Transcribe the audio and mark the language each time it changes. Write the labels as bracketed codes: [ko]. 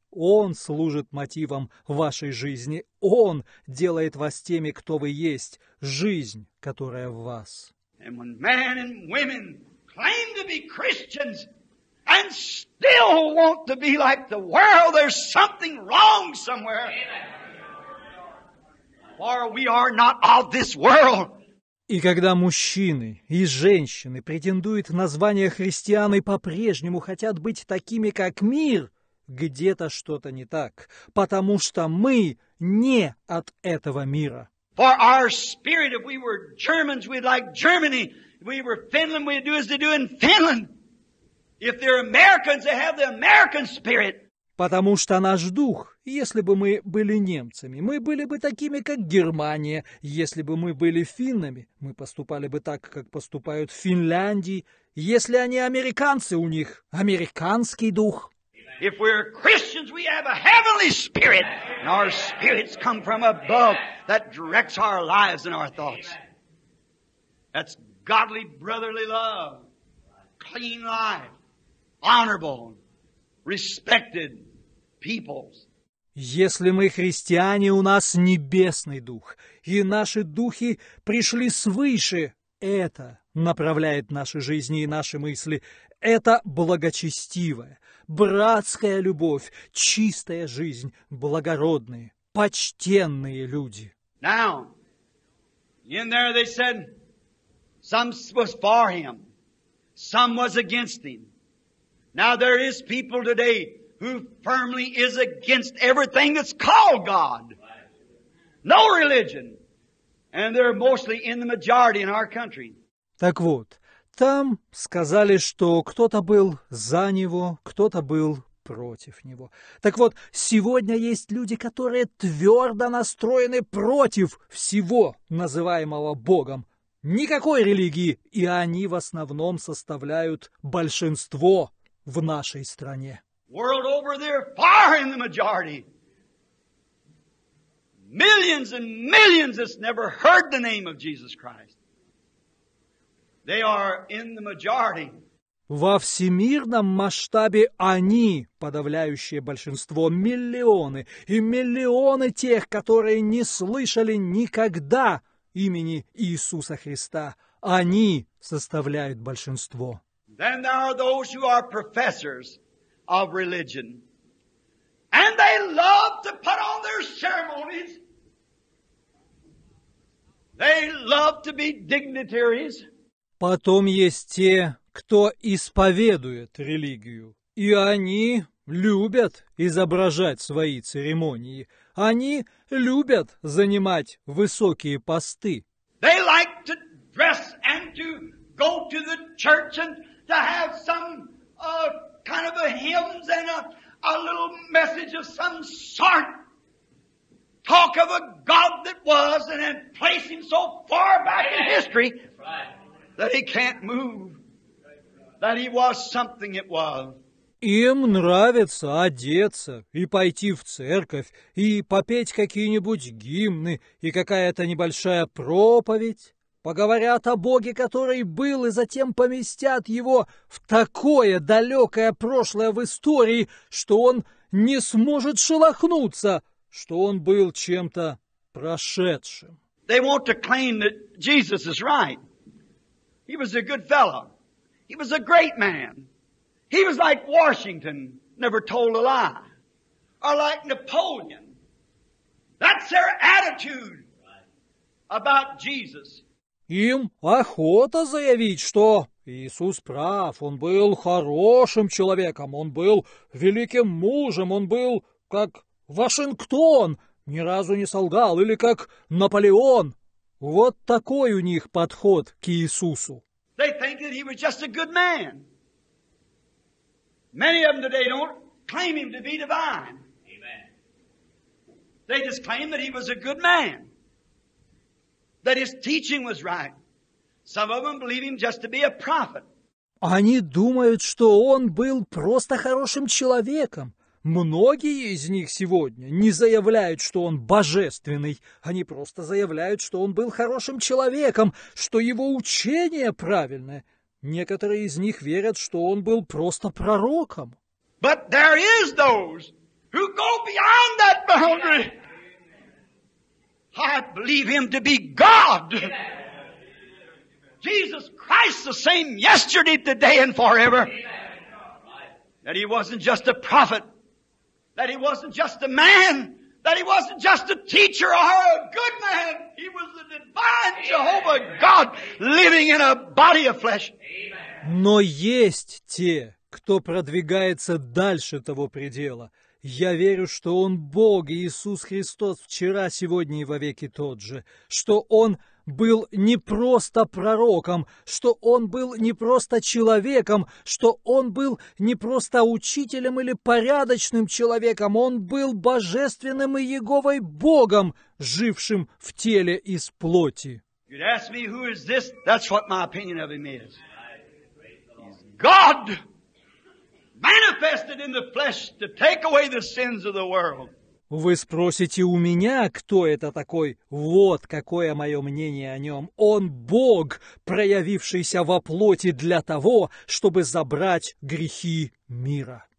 [ru] Он служит мотивом вашей жизни. Он делает вас теми, кто вы есть, жизнь, которая в вас. [en] And when men and women claim to be Christians and still want to be like the world, there's something wrong somewhere. For we are not of this world. [ru] И когда мужчины и женщины претендуют на звание христиан и по-прежнему хотят быть такими, как мир, где-то что-то не так, потому что мы не от этого мира. [en] For our spirit, if we were Germans, we'd like Germany. If we were Finland, we'd do as they do in Finland. If they're Americans, they have the American spirit. [ru] Потому что наш дух, если бы мы были немцами, мы были бы такими, как Германия. Если бы мы были финнами, мы поступали бы так, как поступают в Финляндии. Если они американцы, у них американский дух. [en] If we're Christians, we have a heavenly spirit, and our spirits come from above that directs our lives and our thoughts. That's godly, brotherly love, clean life, honorable. Respected peoples. [ru] Если мы христиане, у нас небесный дух, и наши духи пришли свыше. Это направляет наши жизни и наши мысли. Это благочестивая, братская любовь, чистая жизнь, благородные, почтенные люди. [en] Now, in there they said, some was for him, some was against him. Now there is people today who firmly is against everything that's called God. No religion. And they're mostly in the majority in our country. [ru] Так вот, там сказали, что кто-то был за него, кто-то был против него. Так вот, сегодня есть люди, которые твердо настроены против всего, называемого Богом. Никакой религии, и они в основном составляют большинство в нашей стране. [en] World over there, far in the majority. Millions and millions that's never heard the name of Jesus Christ. They are in the majority. [ru] Во всемирном масштабе они, подавляющее большинство, миллионы и миллионы тех, которые не слышали никогда имени Иисуса Христа, они составляют большинство. [en] Then there are those who are professors of religion. And they love to put on their ceremonies. They love to be dignitaries. [ru] Потом есть те, кто исповедует религию. И они любят изображать свои церемонии. Они любят занимать высокие посты. [en] They like to dress and to go to the church and to have some kind of a hymns and a little message of some sort. Talk of a God that was and then place him so far back in history that he can't move. That he was something it was. [ru] Им нравится одеться и пойти в церковь, и попеть какие-нибудь гимны, и какая-то небольшая проповедь. Поговорят о Боге, который был, и затем поместят его в такое далекое прошлое в истории, что он не сможет шелохнуться, что он был чем-то прошедшим. [en] They want to claim that Jesus is right. He was a good fellow. He was a great man. He was like Washington, never told a lie. Or like Napoleon. That's their attitude about Jesus. [ru] Им охота заявить, что Иисус прав, он был хорошим человеком, он был великим мужем, он был как Вашингтон, ни разу не солгал, или как Наполеон. Вот такой у них подход к Иисусу. [en] They think that he was just a good man. Many of them today don't claim him to be divine. Amen. They just claim that he was a good man. That his teaching was right. Some of them believe him just to be a prophet. [ru] Они думают, что он был просто хорошим человеком. Многие из них сегодня не заявляют, что он божественный. Они просто заявляют, что он был хорошим человеком, что его учение правильное. Некоторые из них верят, что он был просто пророком. [en] But there is those who go beyond that boundary. I believe him to be God. Jesus Christ, the same yesterday, today, and forever. That he wasn't just a prophet. That he wasn't just a man. That he wasn't just a teacher or a good man. He was the divine Jehovah God living in a body of flesh. [ru] Но есть те, кто продвигается дальше того предела. Я верю, что Он Бог, Иисус Христос, вчера, сегодня и вовеки тот же. Что Он был не просто пророком, что Он был не просто человеком, что Он был не просто учителем или порядочным человеком, Он был божественным и Иеговой Богом, жившим в теле из плоти. [en] You'd ask me, who is this? That's what my opinion of him is. He's God! Manifested in the flesh to take away the sins of the world. [ru] Вы спросите у меня, кто это такой? Вот какое мое мнение о нем. Он Бог, проявившийся во плоти для того, чтобы забрать грехи мира.